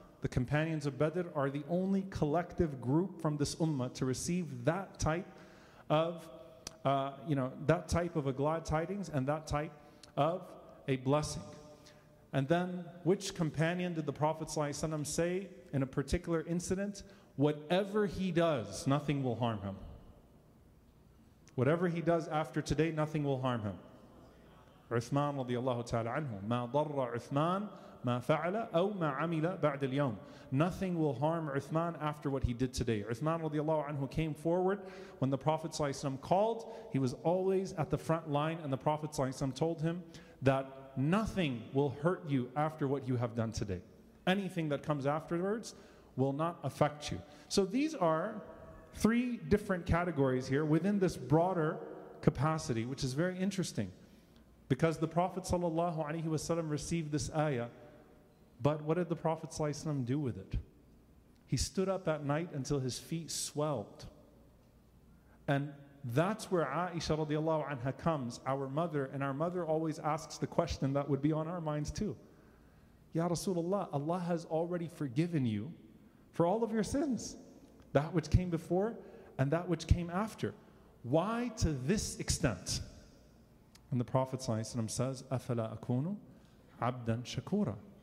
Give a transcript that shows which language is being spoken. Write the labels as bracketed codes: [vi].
[en] the companions of Badr are the only collective group from this ummah to receive that type of, that type of a glad tidings and that type of a blessing. And then, which companion did the Prophet ﷺ say in a particular incident? Whatever he does, nothing will harm him. Whatever he does after today, nothing will harm him. Uthman radiallahu ta'ala anhu. [ar] ما ضر عثمان ما فعل أو ما عمل بعد اليوم. [en] Nothing will harm Uthman after what he did today. Uthman radiallahu anhu came forward when the Prophet ﷺ called. He was always at the front line, and the Prophet ﷺ told him that nothing will hurt you after what you have done today. Anything that comes afterwards will not affect you. So these are three different categories here within this broader capacity, which is very interesting. Because the Prophet ﷺ received this ayah, but what did the Prophet ﷺ do with it? He stood up at night until his feet swelled. And that's where Aisha radiallahu anha comes, our mother, and our mother always asks the question that would be on our minds too. Ya Rasulullah, Allah has already forgiven you for all of your sins, that which came before and that which came after. Why to this extent? And the Prophet ﷺ says, [ar] أَفَلَا أَكُونُ عَبْدًا شَكُورًا.